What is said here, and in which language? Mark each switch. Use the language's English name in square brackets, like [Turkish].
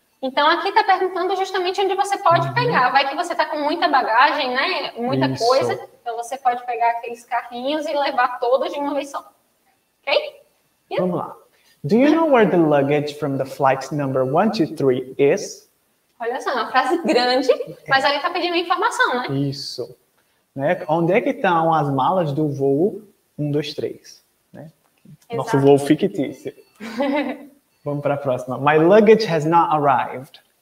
[Portuguese] Então, aqui está perguntando justamente onde você pode pegar. Vai que você está com muita bagagem, né? Muita isso. coisa. Então, você pode pegar aqueles carrinhos e levar todos de uma vez só. Ok? [English] Yeah. [Portuguese] Vamos lá. [English] Do you know where the luggage from the flight number 123 is? [Portuguese] Olha só, uma frase grande, mas ali está pedindo informação, né? Isso. Né? Onde é que estão as malas do voo 123? Né? Nosso voo fictício. Vamos para a próxima. [English] My luggage has not arrived.